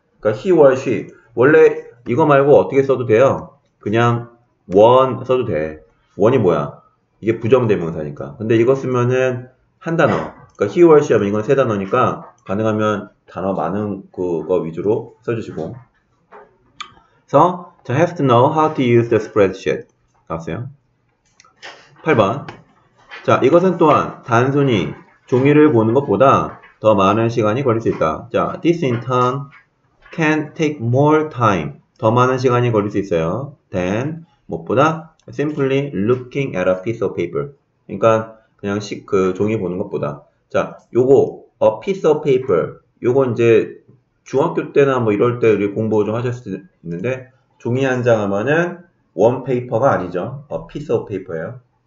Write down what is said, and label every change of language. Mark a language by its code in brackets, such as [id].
[ko] 그러니까 [en] he or she, [ko] 원래 이거 말고 어떻게 써도 돼요? 그냥 one 써도 돼. one이 뭐야? 이게 부정대명사니까. 근데 이거 쓰면은 한 단어. 그러니까 [en] he or she [ko] 하면 이건 세 단어니까 가능하면 단어 많은 그거 위주로 써주시고. [en] So, to have to know how to use the spreadsheet. [ko] 나왔어요. 8번. 자, 이것은 또한 단순히 종이를 보는 것보다 더 많은 시간이 걸릴 수 있다. [en] 자, this in turn can take more time. [ko] 더 많은 시간이 걸릴 수 있어요. [en] than, [ko] 무엇보다 [en] simply looking at a piece of paper. [ko] 그러니까 그냥 그 종이 보는 것보다. 자, 요거 [en] a piece of paper. [ko] 요거 이제 중학교 때나 뭐 이럴 때 우리 공부 좀 하셨을 수 있는데 종이 한 장 하면은 [en] one paper [ko] 가 아니죠. [en] a piece of paper [ko] 예요.